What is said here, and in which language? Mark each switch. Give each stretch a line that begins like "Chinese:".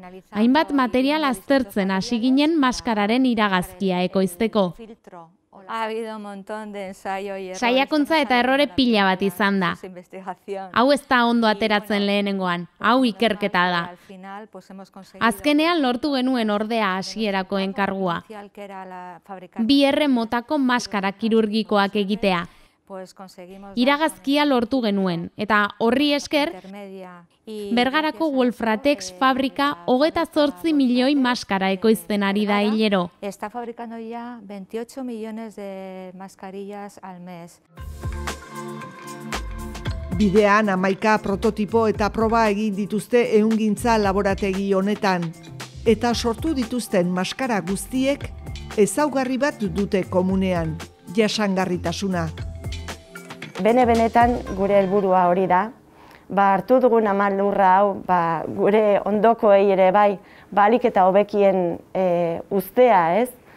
Basque: Hainbat material aztertzen hasi ginen maskararen iragazkia ekoizteko.
Spanish: Ha habido un montón de ensayo y error.
Basque: Saiakuntza eta errore pila bat izan da. Hau ez da ondo ateratzen lehenengoan, hau ikerketa da. Azkenean lortu genuen ordea hasierako enkargua. Bi erre motako maskara kirurgikoak egitea. Iragazkia lortu genuen, eta horri esker, Bergarako Wolfratex fabrika 28 milioi maskara ekoizten ari da hilero.
Spanish: Está fabricando ya 28 millones de mascarillas al mes.
Basque: Bidean 11 prototipo eta proba egin dituzte ehungintza laborategi honetan. Eta sortu dituzten maskara guztiek ezaugarri bat dute komunean, jasangarritasuna. Bene-benetan gure helburua hori da. Hartu dugun amaldurra hau, gure ondokoei ere bai, balik eta hobekien uztea, ez?